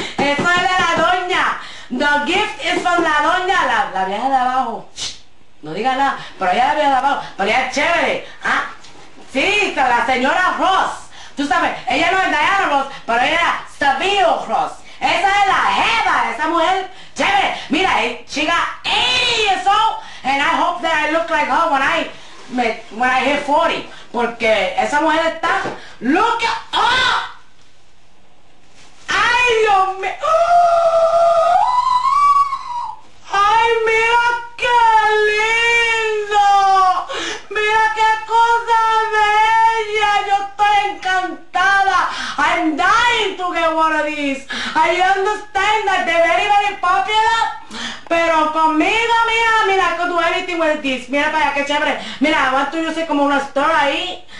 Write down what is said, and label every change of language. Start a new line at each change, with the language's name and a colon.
Spanish: Eso es de la doña.
English: The gift is from
Spanish: la doña, la vieja de abajo. No diga nada, pero ella es la vieja de abajo, pero ella es chévere. Ah, sí, la señora Ross. Tú sabes, ella no es Diana Ross, pero ella es Stabile Ross. Esa es la jeva, esa mujer chévere.
English: Mira, she got 80 years old, and I hope that I look like her when I hit 40.
Spanish: Porque esa mujer está...
English: ¡Look up!
Spanish: Oh! ¡Ay, Dios mío! Oh! ¡Ay, mira qué lindo! ¡Mira qué cosa bella! ¡Yo estoy encantada!
English: I'm dying to get one of these. I understand that they're very, very popular.
Spanish: Pero conmigo, mira, mira,
English: I could do anything with this.
Spanish: Mira para allá, qué chévere. Mira, aguanto yo sé como una store ahí.